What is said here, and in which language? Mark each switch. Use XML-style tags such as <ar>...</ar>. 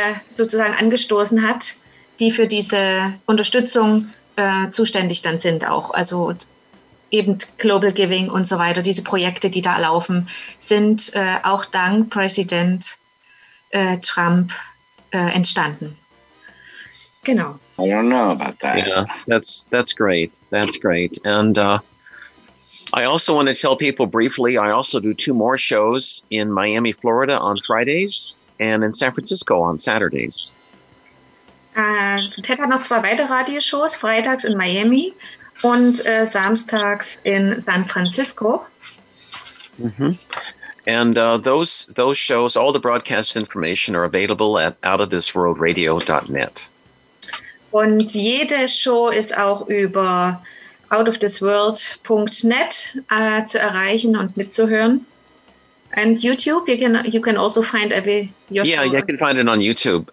<de>sozusagen angestoßen hat, die für diese Unterstützung zuständig dann sind auch. Also eben Global Giving und so weiter, diese Projekte, die da laufen, sind auch dank Präsident Trump entstanden. Genau.</de> <en>I don't know about that. Yeah, that's great. That's great. And I also want to tell people briefly, I also do 2 more shows in Miami, Florida on Fridays and in San Francisco on Saturdays.</en> <de>Ted hat noch 2 weitere Radioshows, freitags in Miami und samstags in San Francisco. Mm-hmm.</de> <en>And those shows, all the broadcast information are available at outofthisworldradio.net.</en> <de>Und jede Show ist auch über outofthisworld.net zu erreichen und mitzuhören.</de> <en>And YouTube, you can also find your Yeah, you can find it on YouTube.</en>